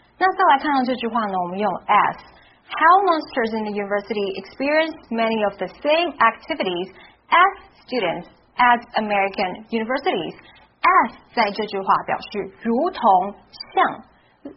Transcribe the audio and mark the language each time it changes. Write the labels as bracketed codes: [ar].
[zh] 那再来看到这句话呢，我们用 as. [en] How monsters in the university experience many of the same activities as students at American universities. [zh] As 在这句话表示如同像。